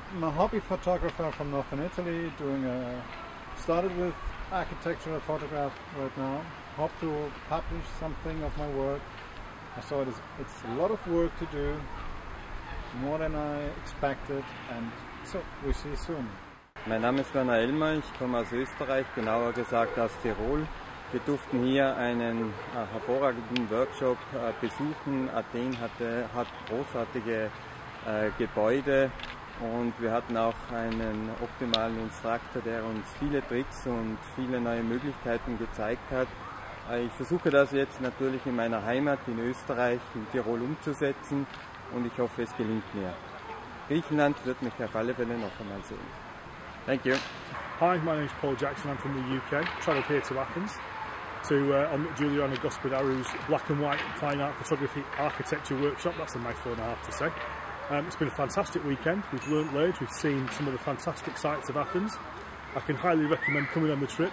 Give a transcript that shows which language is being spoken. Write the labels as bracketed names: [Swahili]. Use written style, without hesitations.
[English] I'm a hobby photographer from Northern Italy, started with architectural photograph right now. Hope to publish something of my work. I saw it's a lot of work to do, more than I expected, and so we see you soon. [German] Mein Name ist Werner Elmer, ich komme aus Österreich, genauer gesagt aus Tirol. Wir durften hier einen hervorragenden Workshop besuchen. Athen hat großartige Gebäude und wir hatten auch einen optimalen Instructor, der uns viele Tricks und viele neue Möglichkeiten gezeigt hat. Ich versuche das jetzt natürlich in meiner Heimat in Österreich, in Tirol umzusetzen und ich hoffe, es gelingt mir. Griechenland wird mich auf alle Fälle noch einmal sehen. [English] Thank you. Hi, my name is Paul Jackson, I'm from the UK. Traveled here to Athens. To Juliana Gospodarou's black and white fine art photography architecture workshop. That's a mouthful and a half to say. It's been a fantastic weekend. We've learnt loads. We've seen some of the fantastic sights of Athens. I can highly recommend coming on the trip.